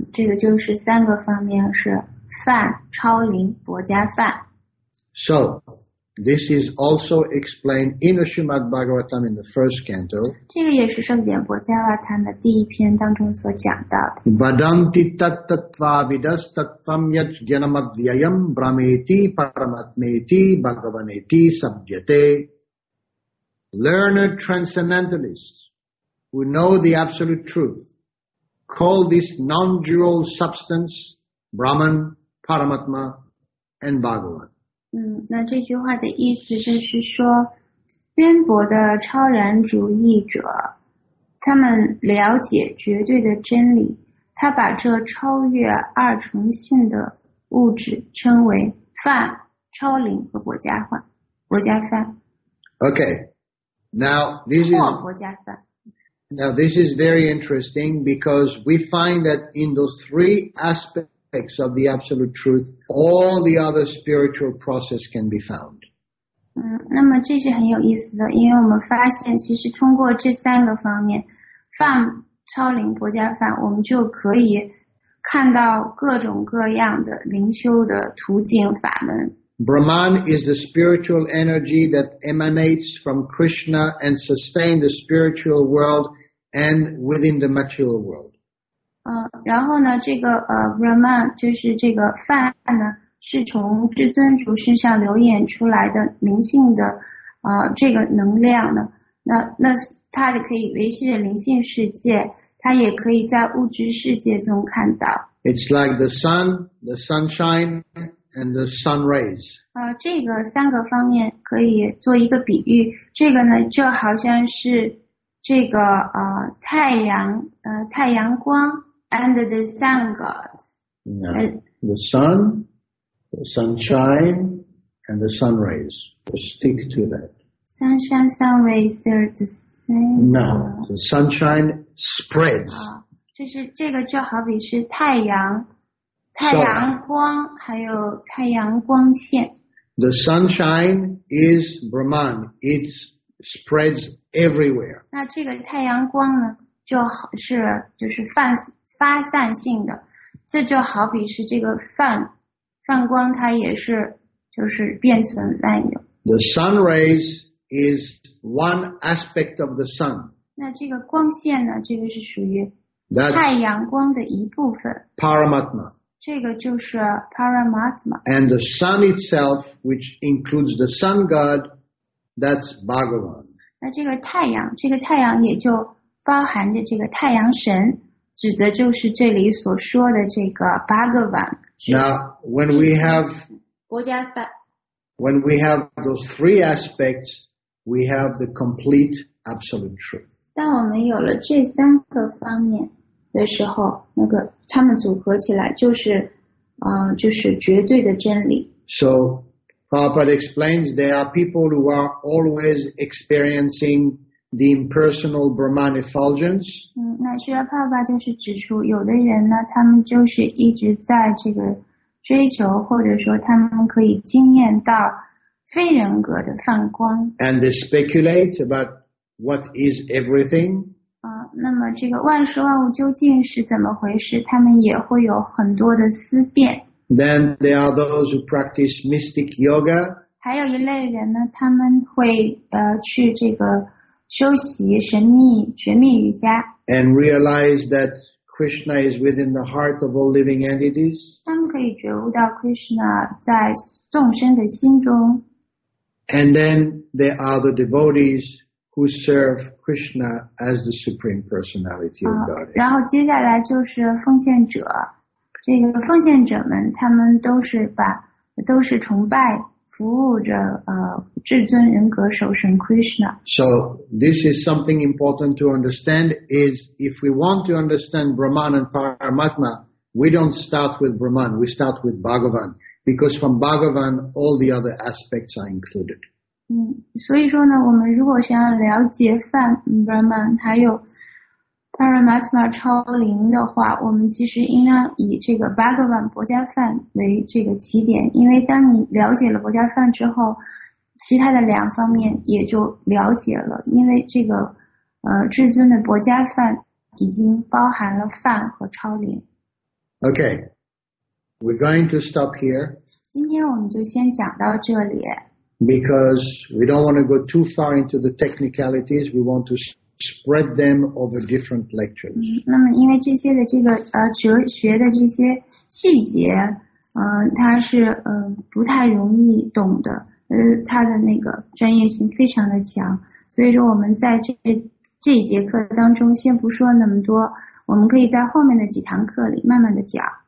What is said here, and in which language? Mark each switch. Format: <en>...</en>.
<zh>这个就是三个方面，是梵、超灵、薄伽梵。</zh> <en>So, this is also explained in the Srimad Bhagavatam in the first canto.</en> <zh>这个也是圣典薄伽罗坛的第一篇当中所讲到的。</zh> <sa>Vadanti tattattva vidas tattvam yat jnanamadhyayam brahmeti paramatmeti bhagavaneti sabhyate.</sa> <en>Learned transcendentalists who know the absolute truth call this non-dual substance Brahman, Paramatma, and Bhagavan.</en> <zh>那这句话的意思就是说渊博的超然主义者他们了解绝对的真理他把这超越二重性的物质称为梵超灵和薄伽梵薄伽梵</zh> <en>Okay, now this is</en> <zh>薄伽梵</zh> <en>Now this is very interesting because we find that in those three aspects of the absolute truth, all the other spiritual process can be found.</en> <zh>那么这是很有意思的，因为我们发现，其实通过这三个方面，梵、超灵、薄伽梵，我们就可以看到各种各样的灵修的途径法门。</zh> <en>Brahman is the spiritual energy that emanates from Krishna and sustains the spiritual world and within the material world.</en> <zh>然后呢这个Brahman 就是这个梵呢是从至尊主身上流演出来的灵性的这个能量呢那它可以维系着灵性世界它也可以在物质世界中看到。</zh> <en>It's like the sun, the sunshine, and the sun rays.</en> <zh>这个三个方面可以做一个比喻这个呢就好像是这个太阳光</zh> <en>And the sun gods. Yeah. The sun, the sunshine, and the sun rays. We'll stick to that. Sunshine, sun rays, they're the same. No, the sunshine spreads.</en> <zh>就是这个就好比是太阳光，还有太阳光线。</zh> <en>The sunshine is Brahman. It spreads everywhere.</en> <zh>那这个太阳光呢？就是发散性的，这就好比是这个梵光，它也是就是遍存滥有。</zh> <en>The sun rays is one aspect of the sun.</en> <zh>那这个光线呢？这个是属于太阳光的一部分。</zh> <en>Paramatma.</en> <zh>这个就是 Paramatma.</zh> <en>And the sun itself, which includes the sun god, that's Bhagavan.</en> <zh>那这个太阳也就包含着这个太阳神，指的就是这里所说的这个巴格瓦。</zh> <en>Now, when we have, when we have those three aspects, we have the complete absolute truth.</en> <zh>当我们有了这三个方面的时候，那个他们组合起来就是，就是绝对的真理。</zh> <en>So, Prabhupada explains there are people who are always experiencing the impersonal Brahman effulgence.</en> <zh>嗯，那需要爸爸就是指出，有的人呢，他们就是一直在这个追求，或者说他们可以经验到非人格的放光。</zh> <en>And they speculate about what is everything.</en> <zh>啊，那么这个万事万物究竟是怎么回事？他们也会有很多的思辨。</zh> <en>Then there are those who practice mystic yoga.</en> <zh>还有一类人呢，他们会去这个修习神秘绝密瑜伽。</zh> <en>And realize that Krishna is within the heart of all living entities.</en> <zh>他们可以觉悟到 Krishna 在众生的心中。</zh> <en>And then there are the devotees who serve Krishna as the supreme personality of God.</en> <zh>然后接下来就是奉献者。这个奉献者们，他们都是崇拜服务着至尊人格首神 Krishna。</zh> <en>So this is something important to understand. Is if we want to understand Brahman and Paramatma, we don't start with Brahman. We start with Bhagavan, because from Bhagavan all the other aspects are included.</en> <zh>嗯，所以说呢，我们如果想要了解梵 Brahman 还有Paramatma 超灵的话，我们其实应当以这个 Bhagavan 薄伽梵为这个起点，因为当你了解了薄伽梵之后，其他的两方面也就了解了，因为这个至尊的薄伽梵已经包含了梵和超灵。</zh> <en>Okay, we're going to stop here.</en> <zh>今天我们就先讲到这里。</zh> <en>Because we don't want to go too far into the technicalities, we want to spread them over different lectures.</en> <zh>那么因为这些的这个哲学的这些细节它是不太容易懂的，它的那个专业性非常的强，所以说我们在这一节课当中先不说那么多，我们可以在后面的几堂课里慢慢的讲。</zh>